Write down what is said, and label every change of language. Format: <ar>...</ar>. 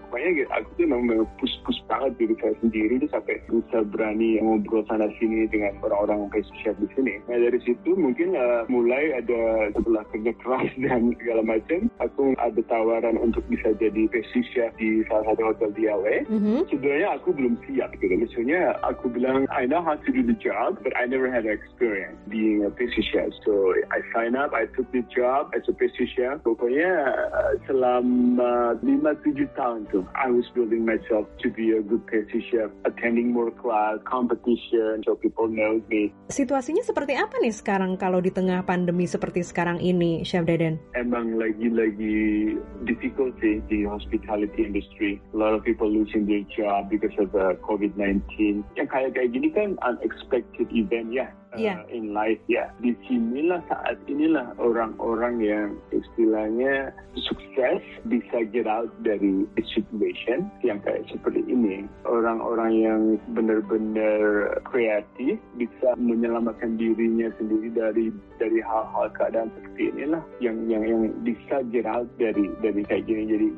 <id>Pokoknya aku tuh memang push banget diri saya sendiri tuh sampai bisa berani ngobrol sana sini dengan orang-orang pastry chef di sini. Nah, dari situ mungkin mulai ada setelah kerja keras dan segala macam, aku ada tawaran untuk bisa jadi pastry chef di salah satu hotel di LA. Mm-hmm. Sebenarnya aku belum siap gitu. Maksudnya aku bilang</id> <en>I know how to do the job, but I never had experience being a pastry chef. So I sign up, I took the job as a pastry chef.</en> <id>Pokoknya selama 5-7 tahun</id> <en>I was building myself to be a good pastry chef, attending more class, competition, so people know me.</en> <id>Situasinya seperti apa nih sekarang kalau di tengah pandemi seperti sekarang ini, Chef Deden? Emang lagi-lagi difficult sih di hospitality industry.</id> <en>A lot of people losing their job because of COVID-19.</en> <id>Yang kayak gini kan unexpected event ya.</id> <en>In life,</en> <id>ya. Di sinilah saat inilah orang-orang yang istilahnya sukses bisa get out dari</id> <en>the situation</en> <id>yang kayak seperti ini. Orang-orang yang benar-benar kreatif bisa menyelamatkan dirinya sendiri dari hal-hal keadaan seperti inilah yang bisa get out dari kayak gini.</id>